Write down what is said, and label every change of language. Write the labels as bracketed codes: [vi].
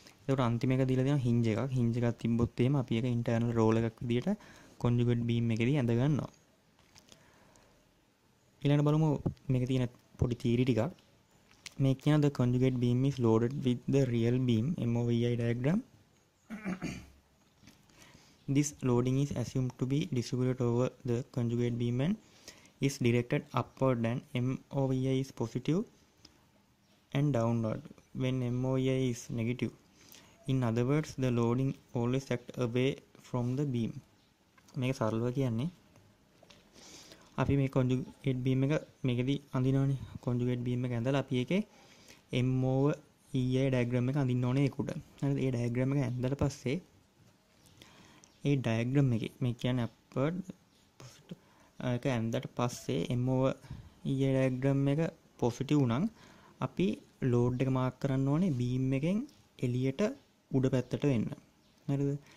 [si] එතකොට අන්තිම එක දීලා තියෙනවා හින්ජ් එකක්. හින්ජ් එකක් තිබ්බොත් එහෙම අපි ඒක ඉන්ටර්නල් රෝල් එකක් විදියට කොන්ජුගේට් බීම් එකේදී ඇඳ ගන්නවා. ඊළඟට බලමු මේකේ තියෙන පොඩි තීරි ටිකක්. මේ කියන [en] The conjugate beam is loaded with the real beam MOVI diagram. This loading is assumed to be distributed over the conjugate beam and is directed upward and MOVI is positive and downward when MOVI is negative. In other words, the loading always acts away from the beam. [si] මේක සරලව කියන්නේ අපි මේ conjugate beam එක මේකෙදි අඳිනවනේ. conjugate beam එක ඇඳලා අපි ඒකේ MOVI diagram එක අඳින්න ඕනේ ඒකට. හරිද? ඒ diagram එක ඇඳලා පස්සේ ඒ diagram එකේ මේ කියන්නේ upward positive එක ඇඳලා පස්සේ MOVI diagram එක positive උනං අපි load එක mark කරන්න ඕනේ beam එකෙන් එළියට උඩ පැත්තට වෙන්න. හරිද?